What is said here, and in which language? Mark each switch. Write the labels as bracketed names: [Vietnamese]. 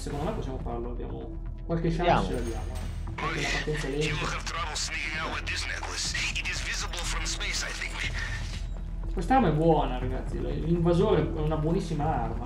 [Italian] Secondo me possiamo farlo. Abbiamo qualche chance. Andiamo. Abbiamo. Anche la partenza lenta. [English] You will have trouble sneaking out with this necklace. It is visible from space, I think. [Italian] Quest'arma è buona, ragazzi. L'invasore è una buonissima arma.